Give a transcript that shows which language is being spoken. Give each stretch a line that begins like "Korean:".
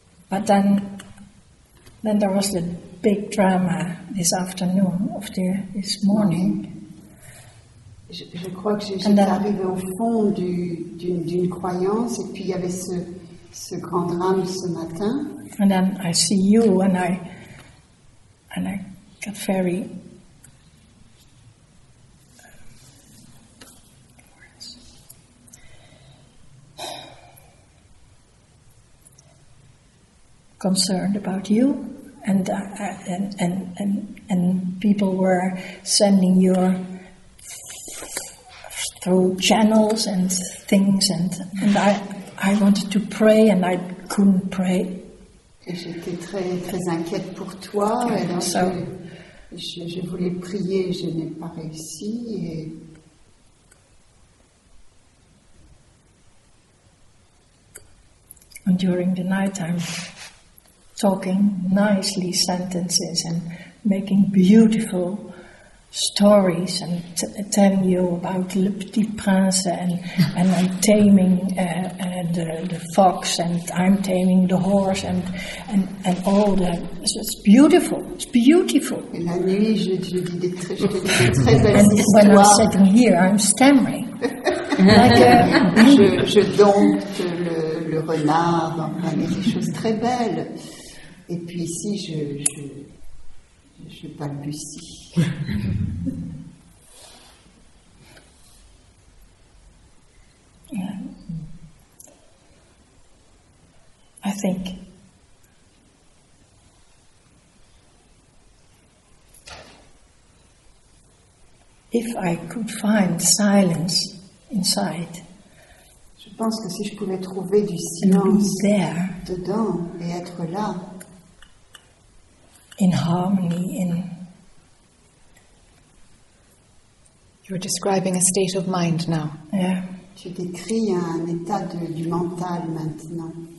English: But then there was the big drama this afternoon, this morning.
French: Je crois que j'étais arrivée au fond d'une croyance et puis il y avait ce grand drame ce matin.
English: And then I see you and I got very concerned about you, and people were sending your through channels and things, and I wanted to pray and I couldn't pray.
French: J'étais très très inquiète pour toi, et donc so, je voulais prier, je n'ai pas réussi. Et...
English: And during the night, I'm talking nicely sentences and making beautiful stories and telling you about Le Petit Prince and I'm taming the fox and I'm taming the horse and all that. So it's beautiful. It's beautiful. And when I'm sitting here, I'm stammering.
French: Like je dompte le renard. Enfin, il y a des choses très belles. Et puis ici, je balbutie.
English: I think if I could find silence inside,
French: je pense que si je pouvais trouver du silence
English: there,
French: dedans et être là,
English: in harmony, in you are describing a state of mind now. Yeah.
French: Tu décris un état du mental maintenant.